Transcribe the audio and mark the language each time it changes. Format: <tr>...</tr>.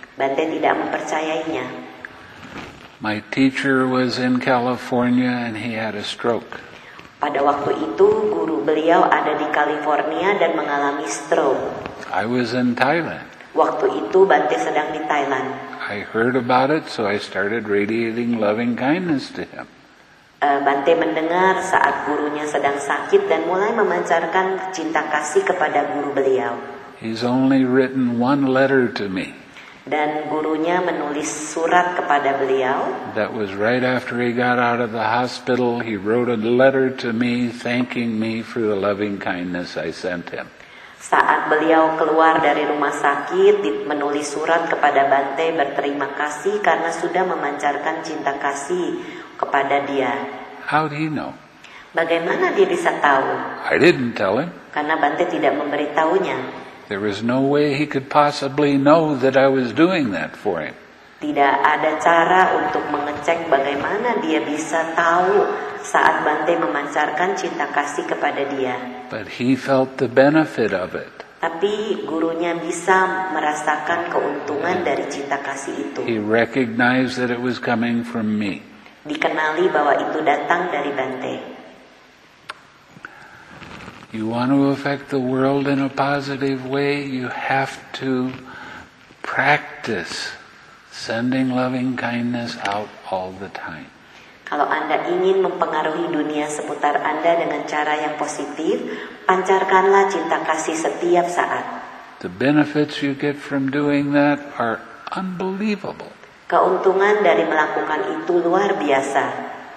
<id>Bante tidak mempercayainya.</id> <en>My teacher was in California and he had a stroke.</en> <id>Pada waktu itu guru beliau ada di California dan mengalami stroke.</id> <en>I was in Thailand.</en> <id>Waktu itu Bante sedang di Thailand.</id> <en>I heard about it, so I started radiating loving kindness to him.</en> <id>Bante mendengar saat gurunya sedang sakit dan mulai memancarkan cinta kasih kepada guru beliau.</id> <en>He's only written one letter to me.</en> <id>Dan gurunya menulis surat kepada beliau.</id> <en>That was right after he got out of the hospital. He wrote a letter to me thanking me for the loving kindness I sent him.</en> <id>Saat beliau keluar dari rumah sakit, menulis surat kepada Bante berterima kasih karena sudah memancarkan cinta kasih kepada dia.</id> <en>How do you know?</en> <id>Bagaimana dia bisa tahu?</id> <en>I didn't tell him.</en> <id>Karena Bante tidak memberitahunya.</id> <en>There was no way he could possibly know that I was doing that for him.</en> <id>Tidak ada cara untuk mengecek bagaimana dia bisa tahu saat Bante memancarkan cinta kasih kepada dia.</id> <en>But he felt the benefit of it.</en> <id>Tapi gurunya bisa merasakan keuntungan dari cinta kasih itu.</id> <en>He recognized that it was coming from me.</en> <id>Dikenali bahwa itu datang dari Bante.</id> <en>You want to affect the world in a positive way, you have to practice sending loving kindness out all the time.</en> <id>Kalau Anda ingin mempengaruhi dunia seputar Anda dengan cara yang positif, pancarkanlah cinta kasih setiap saat.</id> <en>The benefits you get from doing that are unbelievable.</en> <id>Keuntungan dari melakukan itu luar biasa.</id>